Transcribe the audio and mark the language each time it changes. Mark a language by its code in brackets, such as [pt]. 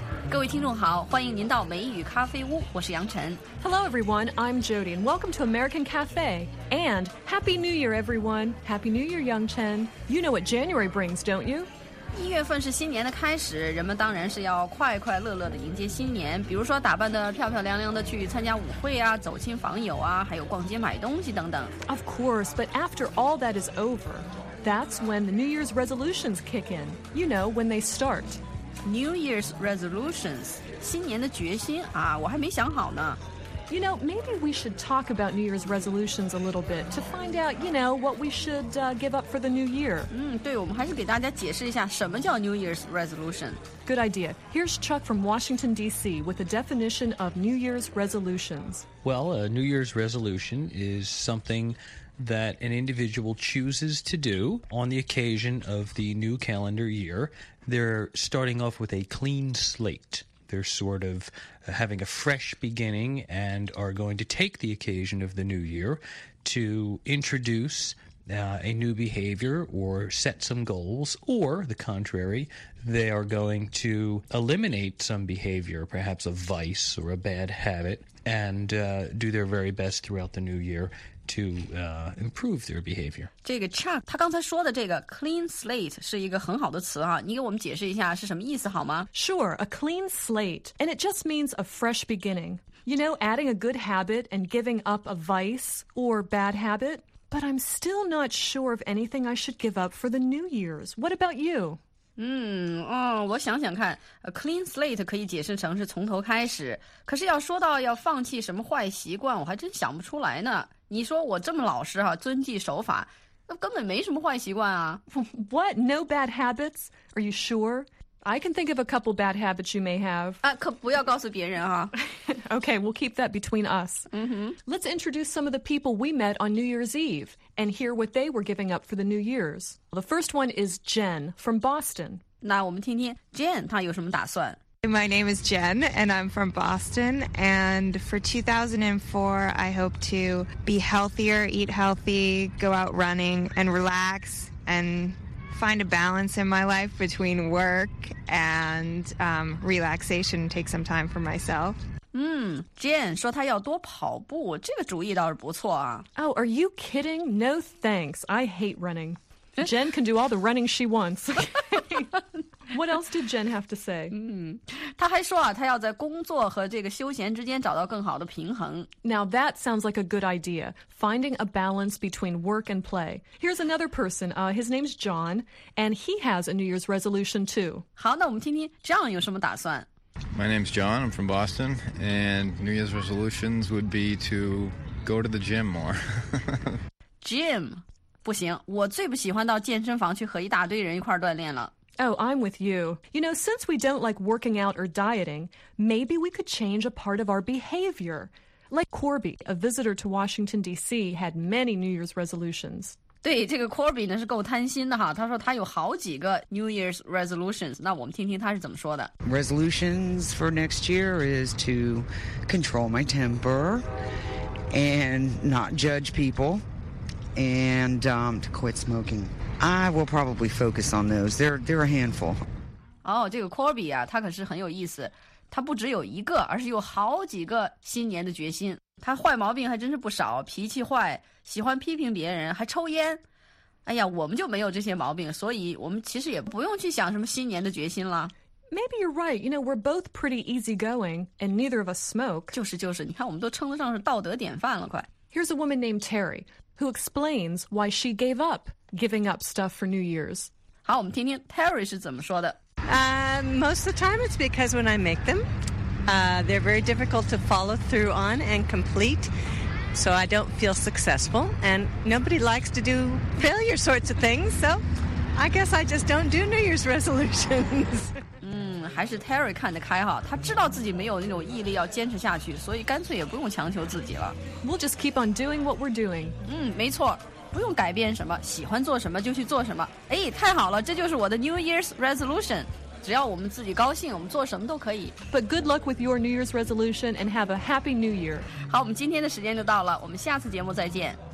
[zh] 各位听众好，欢迎您到美语咖啡屋，我是杨晨。 [en] Hello everyone, I'm Jody, and welcome to American Cafe. And Happy New Year, everyone. Happy New Year, Yang Chen. You know what January brings, don't you? [zh] 一月份是新年的开始，人们当然是要快快乐乐的迎接新年，比如说打扮得漂漂亮亮的去参加舞会啊，走亲访友啊，还有逛街买东西等等。 [en] Of course, but after all that is over, that's when the New Year's resolutions kick in. You know, when they start. New Year's resolutions, [zh] 新年的决心啊，我还没想好呢。 [en] You know, maybe we should talk about New Year's resolutions a little bit to find out, you know, what we should, give up for the new year. [zh] 对，我们还是给大家解释一下什么叫 [en] New Year's resolution. Good idea. Here's Chuck from Washington, D.C. with a definition of New Year's resolutions. Well, a New Year's resolution is something that an individual chooses to do on the occasion of the new calendar year. They're starting off with a clean slate. They're sort of having a fresh beginning and are going to take the occasion of the new year to introduce a new behavior or set some goals, or the contrary, they are going to eliminate some behavior, perhaps a vice or a bad habit, and do their very best throughout the new year. To improve their behavior. [zh] 这个 Chuck, 他刚才说的这个 clean slate 是一个很好的词啊，你给我们解释一下是什么意思好吗？ [en] Sure, a clean slate, and it just means a fresh beginning. You know, adding a good habit and giving up a vice or bad habit. But I'm still not sure of anything I should give up for the New Year's. What about you? [zh] 我想想看 ， [en] a clean slate [zh] 可以解释成是从头开始。可是要说到要放弃什么坏习惯，我还真想不出来呢。你说我这么老实哈、啊，遵纪守法，那根本没什么坏习惯啊。 [en] What? No bad habits? Are you sure? I can think of a couple bad habits you may have. [zh] 啊，可不要告诉别人啊。 [en] Okay, we'll keep that between us. Mm-hmm. Let's introduce some of the people we met on New Year's Eve and hear what they were giving up for the New Year's. The first one is Jen from Boston. [zh] 那我们听听 Jen 她有什么打算。 [en] My name is Jen, and I'm from Boston. And for 2004, I hope to be healthier, eat healthy, go out running, and relax, and find a balance in my life between work and relaxation, take some time for myself. [zh] Jen 说她要多跑步，这个主意倒是不错啊。 [en] Oh, are you kidding? No thanks. I hate running. Jen can do all the running she wants. What else did Jen have to say? [zh] 她还说啊，她要在工作和这个休闲之间找到更好的平衡。 [en] Now that sounds like a good idea, finding a balance between work and play. Here's another person. His name's John, and he has a New Year's resolution too. [zh] 好，那我们听听 John 有什么打算。 [en] My name's John, I'm from Boston, and New Year's resolutions would be to go to the gym more. Gym? [zh] 不行，我最不喜欢到健身房去和一大堆人一块锻炼了。 [en] Oh, I'm with you. You know, since we don't like working out or dieting, maybe we could change a part of our behavior. Like Corby, a visitor to Washington, D.C., had many New Year's resolutions. [zh] 对，这个 Corby 呢是够贪心的哈，他说他有好几个 [en] New Year's resolutions, [zh] 那我们听听他是怎么说的。 [en] Resolutions for next year is to control my temper and not judge people and to quit smoking. I will probably focus on those, they're a handful. [zh] 哦，这个 Corby 啊，他可是很有意思，他不只有一个，而是有好几个新年的决心。他坏毛病还真是不少，脾气坏，喜欢批评别人，还抽烟。哎呀，我们就没有这些毛病，所以我们其实也不用去想什么新年的决心了。 [en] Maybe you're right. You know, we're both pretty easygoing, and neither of us smoke. [zh] 就是就是，你看我们都称得上是道德典范了，快。 [en] Here's a woman named Terry, who explains why she gave up giving up stuff for New Year's. [zh] 好，我们听听 Terry 是怎么说的。 [en] Most of the time it's because when I make them,they're very difficult to follow through on and complete, so I don't feel successful, and nobody likes to do failure sorts of things, so I guess I just don't do New Year's resolutions. [zh] 还是 Terry 看得开哈，他知道自己没有那种毅力要坚持下去，所以干脆也不用强求自己了。 [en] We'll just keep on doing what we're doing. [zh] 没错。不用改变什么，喜欢做什么就去做什么。哎，太好了，这就是我的 [en] New Year's resolution。 [zh] 只要我们自己高兴，我们做什么都可以。 [en] But good luck with your New Year's resolution and have a happy New Year。 [zh] 好，我们今天的时间就到了，我们下次节目再见。